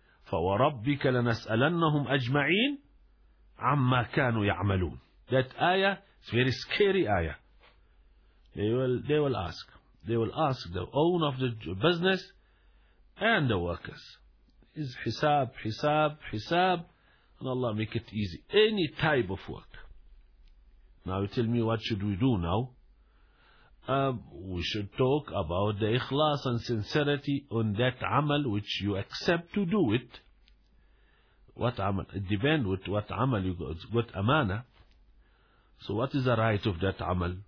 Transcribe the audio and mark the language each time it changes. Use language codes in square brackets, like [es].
[ar] فَوَرَبِّكَ لَنَسْأَلَنَّهُمْ أَجْمَعِينَ عَمَّا كَانُوا يَعْمَلُونَ. [en] That ayah is a very scary ayah. They will ask. They will ask the owner of the business and the workers. Is [ar] حساب, حساب, حساب. [en] And Allah make it easy. Any type of work. Now you tell me, what should we do now? We should talk about the ikhlas and sincerity on that amal which you accept to do it. What amal? It depends with what amal you got. What amana? So what is the right of that amal?